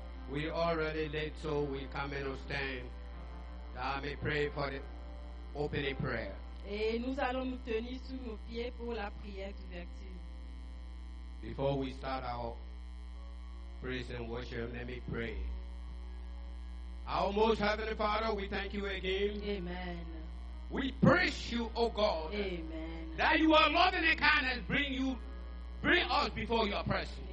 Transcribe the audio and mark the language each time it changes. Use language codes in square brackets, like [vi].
[en] We already late, so we come and stand. I may pray for the opening prayer. [fr] Et nous allons nous tenir sous nos pieds pour la prière d'ouverture. [en] Before we start our praise and worship, let me pray. Our most heavenly Father, we thank you again. Amen. We praise you, O God. Amen. That you are loving and kind and bring you, bring us before your presence.